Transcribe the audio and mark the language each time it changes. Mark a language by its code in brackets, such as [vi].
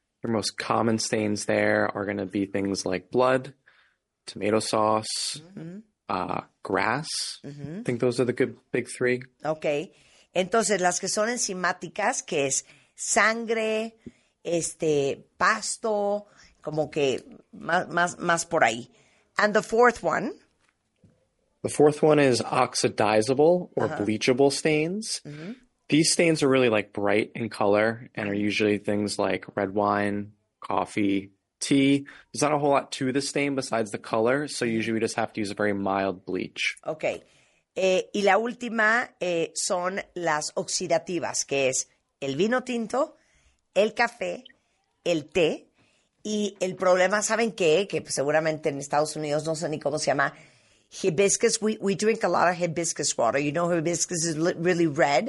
[en] Your most common stains there are going to be things like blood, tomato sauce, mm-hmm. Grass. Mm-hmm. I think those are the good big three. Okay. [es] Entonces, las que son enzimáticas, que es sangre, pasto, como que más por ahí. [en] And the fourth one. The fourth one is oxidizable or uh-huh. bleachable stains. Mm-hmm. These stains are really like bright in color and are usually things like red wine, coffee, tea. There's not a whole lot to the stain besides the color, so usually we just have to use a very mild bleach. Okay. [es] Y la última son las oxidativas, que es el vino tinto, el café, el té. Y el problema, ¿saben qué? Que pues, seguramente en Estados Unidos no sé ni cómo se llama. [en] Hibiscus, we drink a lot of hibiscus water. You know hibiscus is really red?